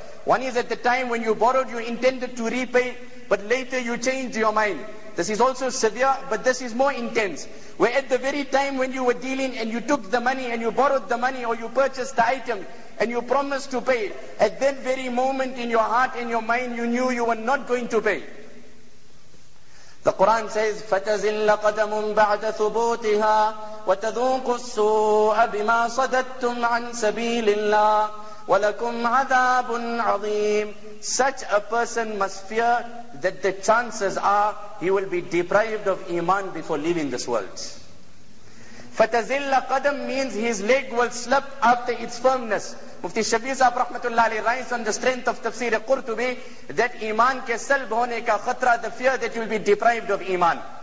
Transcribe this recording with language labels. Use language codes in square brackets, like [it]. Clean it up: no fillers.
[en] One is at the time when you borrowed, you intended to repay, but later you changed your mind. This is also severe, but this is more intense. Where at the very time when you were dealing and you took the money and you borrowed the money or you purchased the item and you promised to pay, at that very moment in your heart and your mind you knew you were not going to pay. The Quran says, [ar] فَتَزِلَّ قَدَمٌ بَعْدَ ثُبُوتِهَا وَتَذُوقُ السُّوءَ بِمَا صَدَدْتُمْ عَنْ سَبِيلِ اللَّهِ وَلَكُمْ عَذَابٌ عَظِيمٌ. [en] Such a person must fear that the chances are he will be deprived of iman before leaving this world. [ar] فَتَزِلَّ قَدَم [en] means his leg will slip after its firmness. Mufti Shabir Sahib Rahmatullah Ali writes on the strength of Tafsir Qurtubi that [ur] iman ke salb hone ka khatra, [en] the fear that you will be deprived of iman.